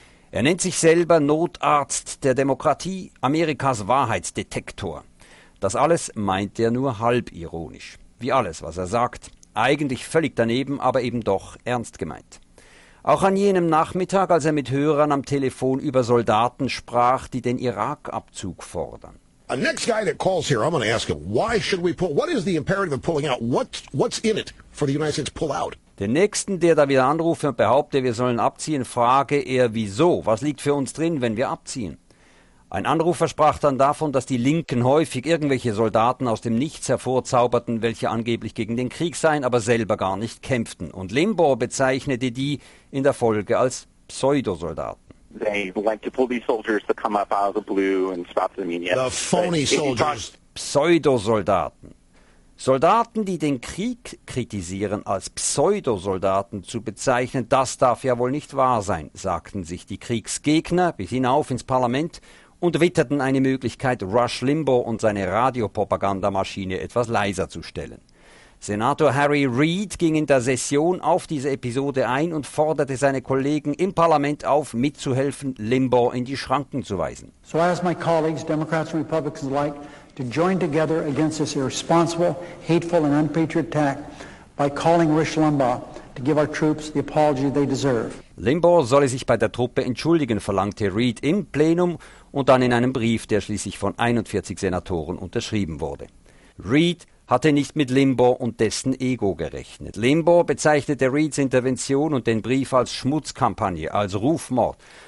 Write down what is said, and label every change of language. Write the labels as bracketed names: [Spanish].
[German] Er nennt sich selber Notarzt der Demokratie, Amerikas Wahrheitsdetektor. Das alles meint er nur halb ironisch. Wie alles, was er sagt. Eigentlich völlig daneben, aber eben doch ernst gemeint. Auch an jenem Nachmittag, als er mit Hörern am Telefon über Soldaten sprach, die den Irakabzug fordern. [English] A next guy that calls here, I'm going to ask him, why should we pull? What is the imperative of pulling out? What's in it for the United States to pull out? [German] Den nächsten, der da wieder anruft und behauptet, wir sollen abziehen, frage er, wieso? Was liegt für uns drin, wenn wir abziehen? Ein Anrufer sprach dann davon, dass die Linken häufig irgendwelche Soldaten aus dem Nichts hervorzauberten, welche angeblich gegen den Krieg seien, aber selber gar nicht kämpften. Und Limbaugh bezeichnete die in der Folge als Pseudosoldaten. [English] They like to pull these soldiers to come up out of the blue and stop them in the phony soldiers. [German] Pseudosoldaten. Soldaten, die den Krieg kritisieren, als Pseudosoldaten zu bezeichnen, das darf ja wohl nicht wahr sein, sagten sich die Kriegsgegner bis hinauf ins Parlament und witterten eine Möglichkeit, Rush Limbaugh und seine Radiopropagandamaschine etwas leiser zu stellen. Senator Harry Reid ging in der Session auf diese Episode ein und forderte seine Kollegen im Parlament auf, mitzuhelfen, Limbaugh in die Schranken zu weisen. [English] So I ask my colleagues, Democrats and Republicans alike, to join together against this irresponsible, hateful and unpatriotic attack by calling Rush Limbaugh to give our troops the apology they deserve. [German] Limbaugh solle sich bei der Truppe entschuldigen, verlangte Reid im Plenum und dann in einem Brief, der schließlich von 41 Senatoren unterschrieben wurde. Reid hatte nicht mit Limbaugh und dessen Ego gerechnet. Limbaugh bezeichnete Reids Intervention und den Brief als Schmutzkampagne, als Rufmord.